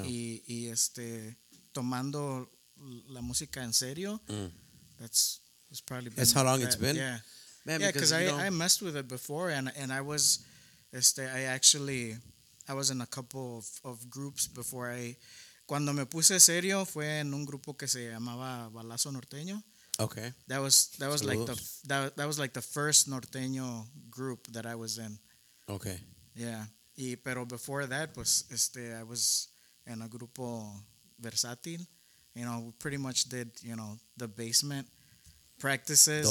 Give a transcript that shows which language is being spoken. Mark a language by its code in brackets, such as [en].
[es] Y tomando la música en serio. Mm. [en] That's probably been that's how long that, it's been. Yeah, man, yeah, because you know, I messed with it before and I was, I was in a couple of groups before I. [es] Cuando me puse serio fue en un grupo que se llamaba Balazo Norteño. [en] Okay. That was so like that was like the first Norteño group that I was in. Okay. Yeah. [es] Y pero [en] before that pues I was in a grupo Versátil. You know, we pretty much did, you know, the basement practices.